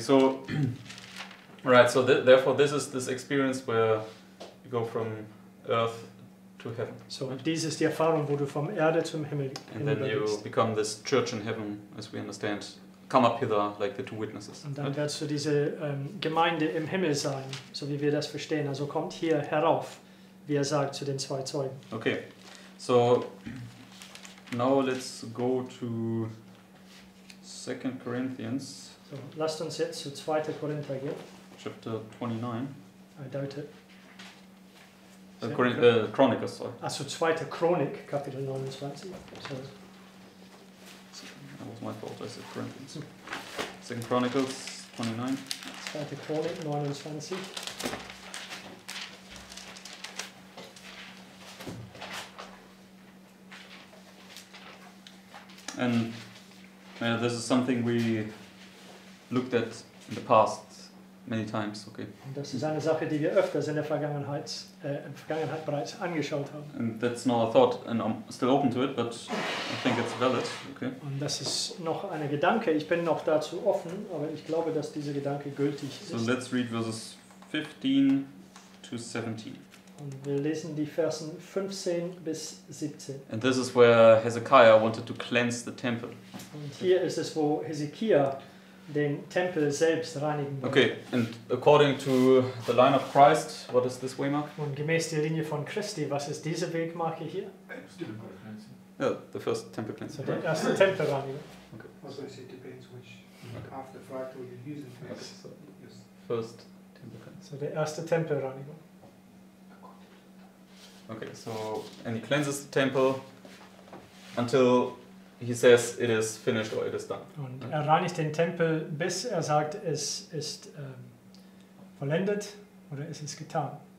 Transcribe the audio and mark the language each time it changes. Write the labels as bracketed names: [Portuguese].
[English] So, right, so therefore this is this experience where you go from earth to heaven. [German] So, dies ist die Erfahrung, wo du vom Erde zum Himmel [English] and then you become this church in heaven, as we understand, come up hither like the two witnesses. [German] Und dann wirst du diese Gemeinde im Himmel sein, so wie wir das verstehen. Also kommt hier herauf, wie sagt zu den zwei Zeugen. [English] Okay, so now let's go to 2 Corinthians. [German] So, lasst uns jetzt zu 2. Korinther gehen. [English] Chapter 29. I doubt it. Chronicles, sorry. [German] Also 2. Chronik, Kapitel 29. So. [English] That was my fault, I said Corinthians. 2 Chronicles 29. [German] 2. Chronik 29. [English] And this is something we looked at in the past many times, okay. [German] Und das ist eine Sache, die wir öfters in der Vergangenheit bereits angeschaut haben. [English] And that's not a thought, and I'm still open to it, but I think it's valid, okay. [German] Und das ist noch eine Gedanke. Ich bin noch dazu offen, aber ich glaube, dass dieser Gedanke gültig ist. [English] So let's read verses 15 to 17. [German] Und wir lesen die Versen 15 bis 17. [English] And this is where Hezekiah wanted to cleanse the temple. [German] Und hier ist es, wo Hezekiah den Tempel selbst reinigen wollte. [English] Okay, and according to the line of Christ, what is this way mark? [German] Und gemäß der Linie von Christi, was ist diese Wegmarke hier? [English] Yeah, the first temple cleansing. [German] So der erste Tempelreinigung. [English] Okay. Also it depends which after fact you use it. First temple cleansing. [German] So der erste Tempelreinigung. [English] Okay, so, and he cleanses the temple until he says it is finished or it is done. [German] Und er reinigt den Tempel, bis er sagt, es ist vollendet oder es ist getan.